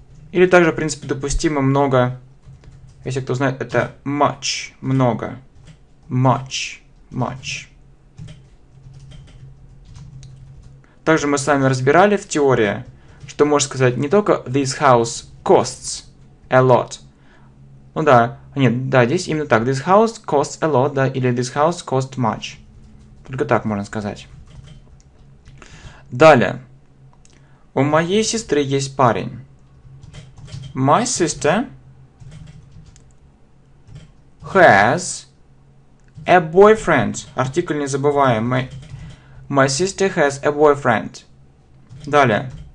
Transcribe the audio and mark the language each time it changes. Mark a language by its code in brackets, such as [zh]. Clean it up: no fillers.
[ru] Или также, в принципе, допустимо много. Если кто знает, это much, много. Much, much. Также мы с вами разбирали в теории, что можно сказать не только [en] this house costs a lot, [ru] Ну да, нет, да, здесь именно так. [en] This house costs a lot, [ru] да, или [en] this house cost much. [ru] Только так можно сказать. Далее. У моей сестры есть парень. [en] My sister has a boyfriend. [ru] Артикль не забываем. [en] My sister has a boyfriend. [ru] Далее.